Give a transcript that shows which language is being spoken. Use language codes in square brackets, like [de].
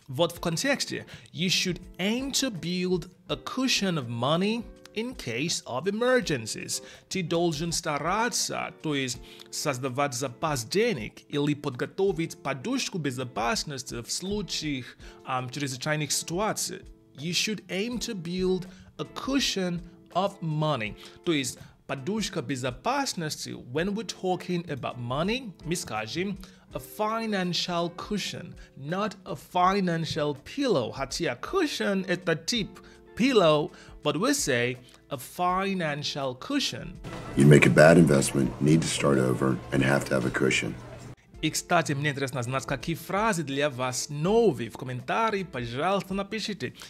[ru] Вот в контексте, [en] you should aim to build a cushion of money in case of emergencies. [ru] Ты должен стараться, то есть создавать запас денег или подготовить подушку безопасности в случаях чрезвычайных ситуаций. [en] You should aim to build a cushion of money. [ru] То есть подушка безопасности, [en] when we're talking about money, [ru] мы скажем [en] a financial cushion, not a financial pillow. [ru] Хотя [en] cushion [ru] это тип [en] pillow, but we say a financial cushion. You make a bad investment, need to start over, and have to have a cushion. [ru] И, кстати, мне интересно знать, какие фразы для вас новые. В комментарии, пожалуйста, напишите.